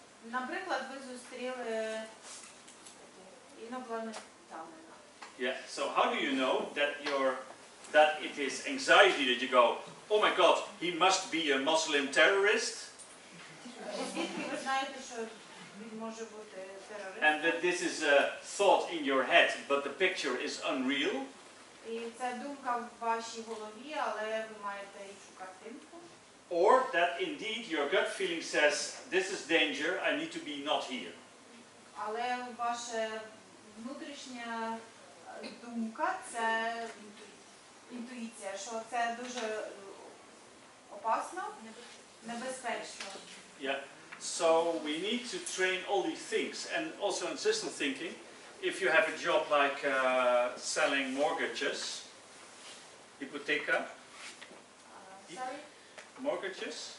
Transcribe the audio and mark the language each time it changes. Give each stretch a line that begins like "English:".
Ukrainian: Наприклад, ви зустріли інопланетянина.
English: Yeah, so how do you know that that it is anxiety that you go, oh my god, he must be a Muslim terrorist?
Ukrainian: Звідки ви знаєте, що він може бути терорист?
English: And that this is a thought in your head, but the picture is unreal?
Ukrainian: І це думка в вашій голові, але ви маєте іншу картинку.
English: Or that indeed your gut feeling says, this is danger, I need to be not here.
Ukrainian: Але ваша внутрішня думка – це інтуїція, що це дуже опасно, небезпечно.
English: Yeah, so we need to train all these things, and also in system thinking, if you have a job like selling mortgages, hypoteca, mortgages.